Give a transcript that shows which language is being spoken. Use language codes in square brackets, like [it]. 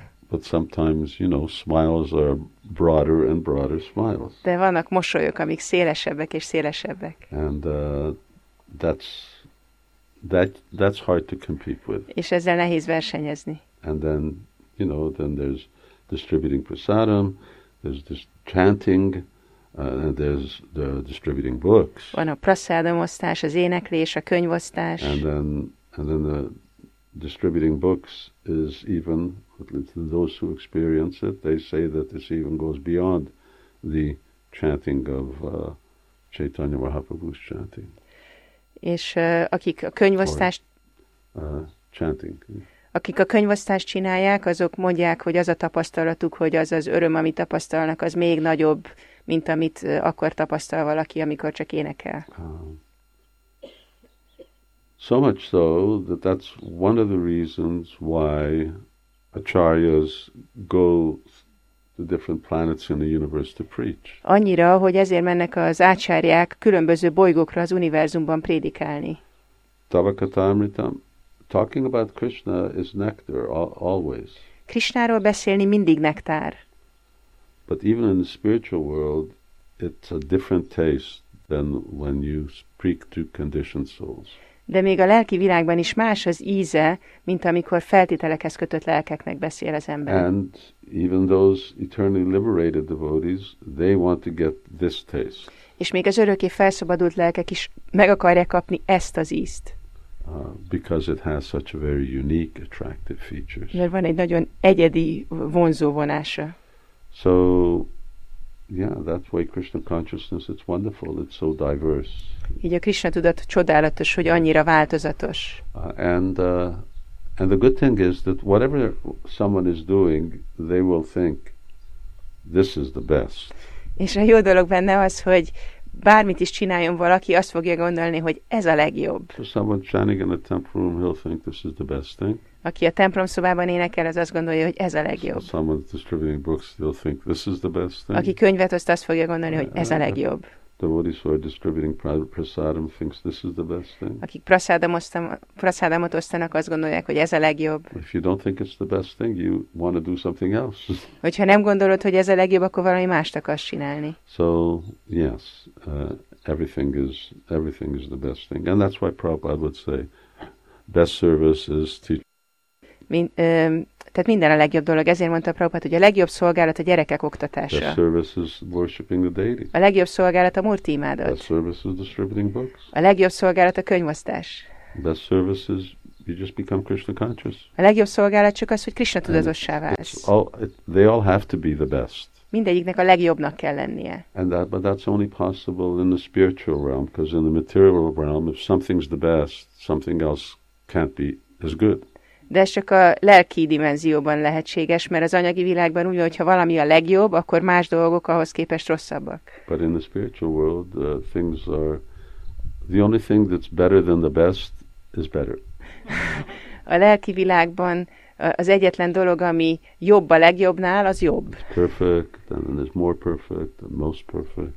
[en] But sometimes, you know, smiles are broader and broader smiles. [hu] De vannak mosolyok, amik szélesebbek és szélesebbek. [en] And that's hard to compete with. [hu] És ezzel nehéz versenyezni. [en] And then, you know, then there's distributing prasadam, there's this chanting, and there's the distributing books. [hu] Van a prasadam osztás, az éneklés, a könyvosztás. [en] And then the distributing books is even, those who experience it, they say that this even goes beyond the chanting of Chaitanya Mahaprabhu's chanting. [hu] És akik a könyvosztást... [en] Chanting. [hu] Akik a könyvosztást csinálják, azok mondják, hogy az a tapasztalatuk, hogy az az öröm, amit tapasztalnak, az még nagyobb, mint amit akkor tapasztal valaki, amikor csak énekel. [en] So much so that that's one of the reasons why acharyas go the different planets in the universe to preach. [hu] Annyira, hogy ezért mennek az ácsárják különböző bolygókra az univerzumban prédikálni. [en] Tavakatamritam. Talking about Krishna is nectar always. [hu] Krishnáról beszélni mindig nektár. [en] But even in the spiritual world, it's a different taste than when you speak to conditioned souls. [hu] De még a lelki világban is más az íze, mint amikor feltételekhez kötött lelkeknek beszél az ember. [en] And even those eternally liberated devotees, they want to get this taste. [hu] És még az örökké felszabadult lelkek is meg akarják kapni ezt az ízt. [en] Because it has such a very unique, attractive features. [hu] Mert van egy nagyon egyedi vonzó vonása. [en] So, yeah, that's why Krishna consciousness, it's wonderful, it's so diverse. [hu] Így a Krishna tudat csodálatos, hogy annyira változatos. [en] And the good thing is that whatever someone is doing, they will think, this is the best. [hu] És a jó dolog benne az, hogy bármit is csináljon valaki, azt fogja gondolni, hogy ez a legjobb. [en] So someone chanting in a temple room, he'll think this is the best thing. [hu] Aki a templom szobában énekel, az azt gondolja, hogy ez a legjobb. [en] So someone distributing books, they'll think this is the best thing. [hu] Aki könyvet oszt, azt fogja gondolni, hogy ez a legjobb. [en] Devotees who are distributing prasadam thinks this is the best thing. [hu] Akik prasadamot osztanak, azt gondolják, hogy ez a legjobb. [en] If you don't think it's the best thing, you want to do something else. [hu] Hogyha nem gondolod, hogy ez a legjobb, akkor valami mást akarsz csinálni. [en] So, yes, everything is the best thing. And that's why Prabhupada would say, best service is teaching. [hu] Tehát minden a legjobb dolog. Ezért mondta Prabhupada, hogy a legjobb szolgálat a gyerekek oktatása. [en] The service is worshiping the deity. [hu] A legjobb szolgálat a Murti imádat. [en] The service is distributing books. [hu] A legjobb szolgálat a könyvosztás. [en] The service is you just become Krishna conscious. [hu] A legjobb szolgálat csak az, hogy Krishna tudatossá válsz. [en] They all have to be the best. [hu] Mindegyiknek a legjobbnak kell lennie. [en] But that's only possible in the spiritual realm, because in the material realm, if something's the best, something else can't be as good. [hu] De ez csak a lelki dimenzióban lehetséges, mert az anyagi világban úgy, hogyha valami a legjobb, akkor más dolgok ahhoz képest rosszabbak. [en] But in the spiritual world, things are... The only thing that's better than the best is better. [hu] A lelki világban az egyetlen dolog, ami jobb a legjobbnál, az jobb. [en] It's perfect, and it's more perfect, and most perfect.